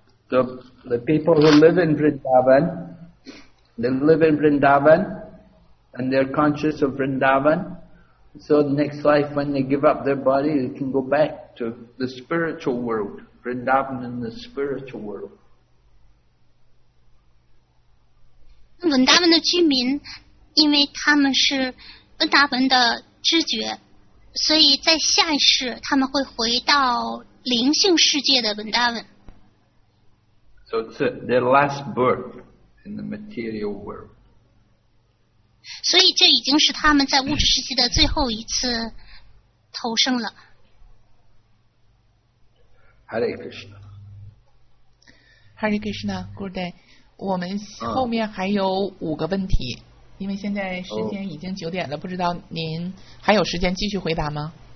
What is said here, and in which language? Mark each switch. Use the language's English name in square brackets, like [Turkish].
[English] the people who live in Vrindavan, they live in Vrindavan, and they're conscious of Vrindavan. So the next life, when they give up their body, they can go back to the spiritual world, Vrindavan in the spiritual world. [Chinese] 文达文的居民，因为他们是文达文的知觉，所以在下一世他们会回到灵性世界的文达文。 [English] So it's their last birth in the material world. [Chinese] 所以这已经是他们在物质世界的最后一次投生了。 [English] Hare Krishna. Hare Krishna, good day. [Chinese] 我们后面还有五个问题，因为现在时间已经九点了，不知道您还有时间继续回答吗？